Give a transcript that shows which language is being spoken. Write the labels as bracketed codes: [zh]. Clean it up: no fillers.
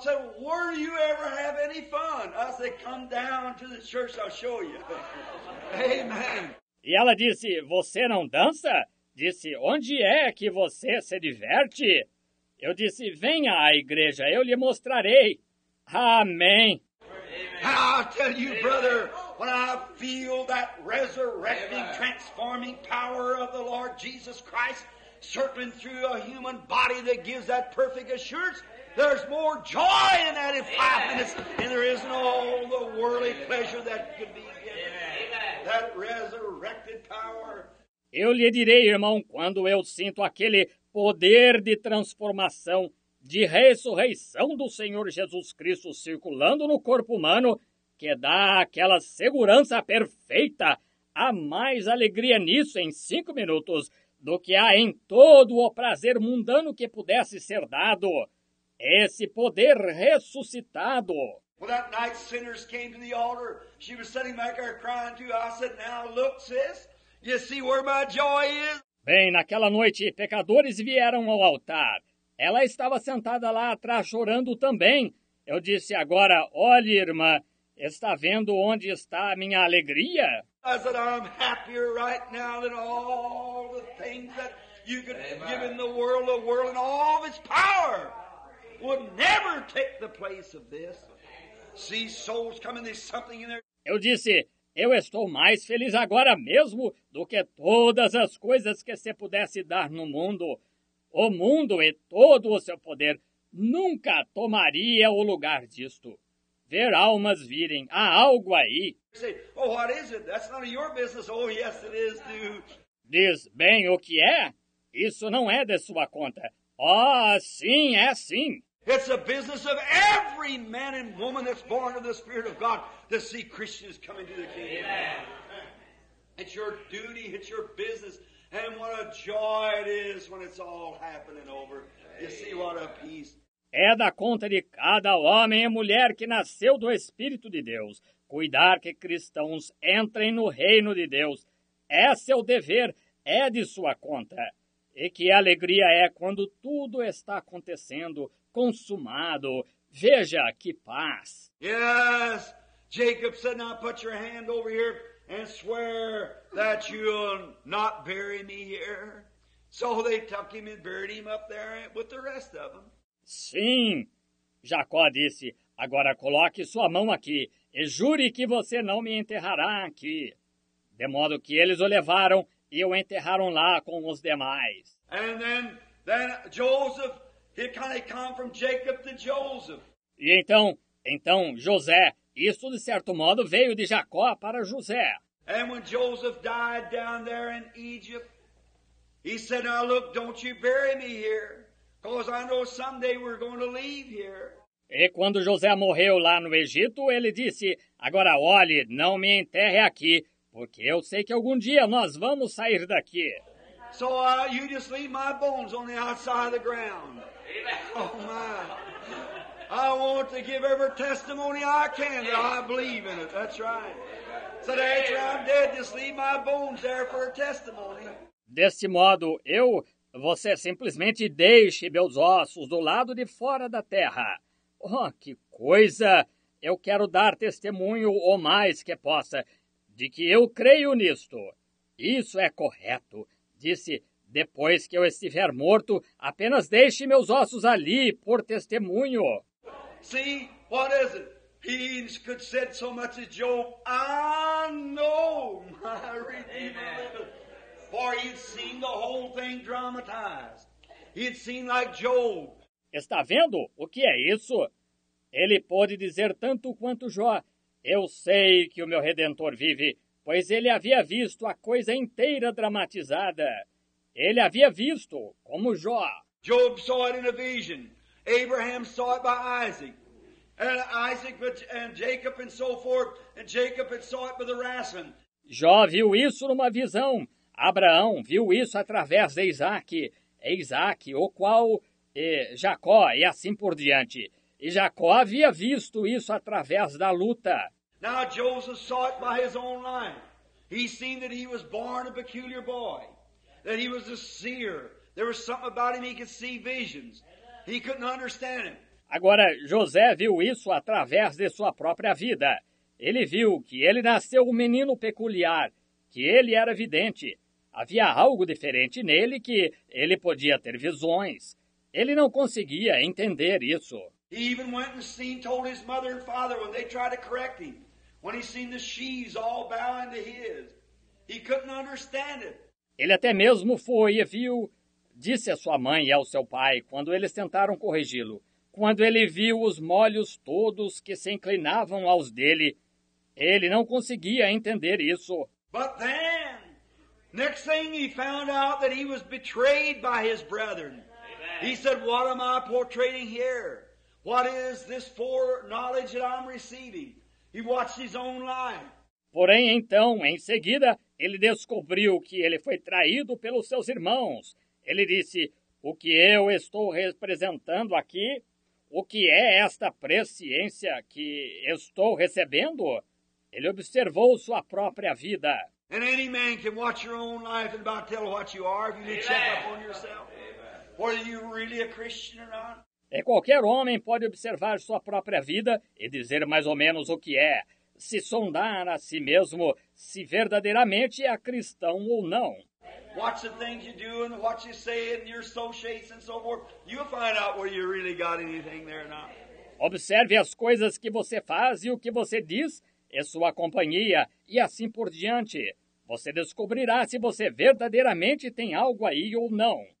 [en] She said, where do you ever have any fun? I said, come down to the church, I'll show you. Amen. [pt] E ela disse, você não dança? Disse, onde é que você se diverte? Eu disse, venha à igreja, eu lhe mostrarei. Amém. [en] I tell you, brother, when I feel that resurrecting, transforming power of the Lord Jesus Christ circling through a human body that gives that perfect assurance, there's more joy in that in 5 minutes than there is in all the worldly pleasure that could be given. That resurrected power. [pt] Eu lhe direi, irmão, quando eu sinto aquele poder de transformação, de ressurreição do Senhor Jesus Cristo circulando no corpo humano, que dá aquela segurança perfeita, há mais alegria nisso em 5 minutos do que há em todo o prazer mundano que pudesse ser dado. Esse poder ressuscitado. [en] Well, that night sinners came to the altar. She was sitting back there crying too. I said, now look, sis, you see where my joy is? [pt] Bem, naquela noite, pecadores vieram ao altar. Ela estava sentada lá atrás chorando também. Eu disse, agora, olhe, irmã, está vendo onde está a minha alegria? [en] I said, I'm happier right now than all the things that You could give in the world, the world and all of its power would never take the place of this. See souls coming, there's something in there. [pt] Eu disse, eu estou mais feliz agora mesmo do que todas as coisas que se pudesse dar no mundo. O mundo e todo o seu poder nunca tomaria o lugar disto. Ver almas virem, há algo aí. [en] Oh, what is it? That's none of your business. Oh, yes, it is, dude. [pt] Diz, bem, o que é? Isso não é de sua conta. Oh, sim, é sim. [en] It's a business of every man and woman that's born of the Spirit of God to see Christians coming to the kingdom. Amen. It's your duty, it's your business. And what a joy it is when it's all happening over. You see what a peace. [pt] É da conta de cada homem e mulher que nasceu do Espírito de Deus. Cuidar que cristãos entrem no reino de Deus. É seu dever, é de sua conta. E que alegria é quando tudo está acontecendo, consumado. Veja que paz. [en] Yes, Jacob said, now put your hand over here and swear that you'll not bury me here. So they took him and buried him up there with the rest of them. [pt] Sim, Jacó disse, agora coloque sua mão aqui e jure que você não me enterrará aqui. De modo que eles o levaram e o enterraram lá com os demais. [en] And then Joseph, he kind of come from Jacob to Joseph. [pt] E então José, isso de certo modo veio de Jacó para José. [en] And when Joseph died down there in Egypt, he said, now look, don't you bury me here. Because I know someday we're going to leave here. [pt] E quando José morreu lá no Egito, ele disse, agora olhe, não me enterre aqui, porque eu sei que algum dia nós vamos sair daqui. [en] So you just leave my bones on the outside of the ground. Amen. Oh my. I want to give every testimony I can that I believe in it. That's right. So that after I'm dead, just leave my bones there for a testimony. [pt] Deste modo, eu... Você simplesmente deixe meus ossos do lado de fora da terra. Oh, que coisa! Eu quero dar testemunho o mais que possa de que eu creio nisto. Isso é correto. Disse, depois que eu estiver morto, apenas deixe meus ossos ali por testemunho. [en] See, what is it? He could say so much as Job, I know my Redeemer. For he'd seen the whole thing dramatized. He'd seen like Job. [pt] Está vendo? O que é isso? Ele pôde dizer tanto quanto Jó. Eu sei que o meu Redentor vive, pois ele havia visto a coisa inteira dramatizada. Ele havia visto como Jó. [en] Job saw it in a vision. Abraham saw it by Isaac. And Isaac and Jacob and so forth. And Jacob had saw it by the Rassen. [pt] Jó viu isso numa visão. Abraão viu isso através de Isaac, o qual Jacó, e assim por diante. E Jacó havia visto isso através da luta. [en] Now Joseph saw it by his own life. He seen that he was born a peculiar boy, that he was a seer. There was something about him he could see visions. He couldn't understand it. [pt] Agora José viu isso através de sua própria vida. Ele viu que ele nasceu um menino peculiar, que ele era vidente. Havia algo diferente nele que ele podia ter visões. Ele não conseguia entender isso. [en] He even went and seen, told his mother and father when they tried to correct him. When he seen the sheaves all bowing to his. He couldn't understand it. [pt] Ele até mesmo foi e viu, disse a sua mãe e ao seu pai, quando eles tentaram corrigi-lo. Quando ele viu os molhos todos que se inclinavam aos dele, ele não conseguia entender isso. [en] But then, next thing he found out that he was betrayed by his brethren. Amen. He said, what am I portraying here? What is this foreknowledge that I'm receiving? He watched his own life. [pt] Porém, então, em seguida, ele descobriu que ele foi traído pelos seus irmãos. Ele disse, o que eu estou representando aqui? O que é esta presciência que estou recebendo? Ele observou sua própria vida. [en] And any man can watch your own life and about tell what you are if you need to check up on yourself. Or are you really a Christian or not? [pt] E qualquer homem pode observar sua própria vida e dizer mais ou menos o que é, se sondar a si mesmo, se verdadeiramente é cristão ou não. [en] Watch the things you do and what you say and your associates and so forth. You'll find out whether you really got anything there or not. [pt] Observe as coisas que você faz e o que você diz e sua companhia e assim por diante. Você descobrirá se você verdadeiramente tem algo aí ou não.